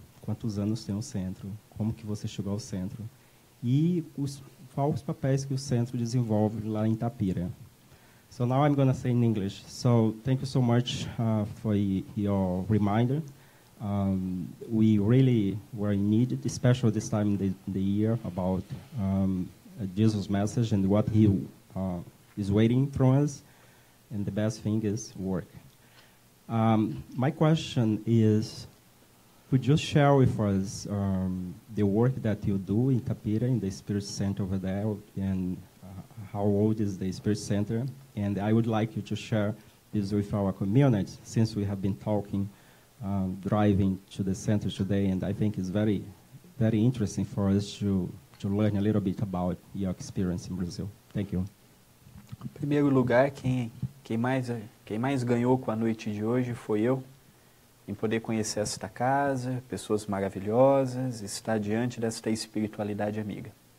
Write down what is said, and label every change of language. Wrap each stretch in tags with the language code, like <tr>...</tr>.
<pt>Quantos anos tem o centro? Como que você chegou ao centro? E quais os papéis que o centro desenvolve lá em Itapira?</pt> <en>So now I'm going to say in English. So thank you so much for your reminder. We really were needed, especially this time in the year, about Jesus' message and what he is waiting from us. And the best thing is work. My question is, could you share with us the work that you do in Itapira, in the Spirit Center over there, and how old is the Spirit Center? And I would like you to share this with our community, since we have been talking, driving to the center today, and I think it's very, very interesting for us to learn a little bit about your experience in Brazil. Thank you.</en> <pt>Em primeiro lugar, quem mais ganhou com a noite de hoje foi eu. Em poder conhecer esta casa, pessoas maravilhosas, estar diante desta espiritualidade amiga.</pt>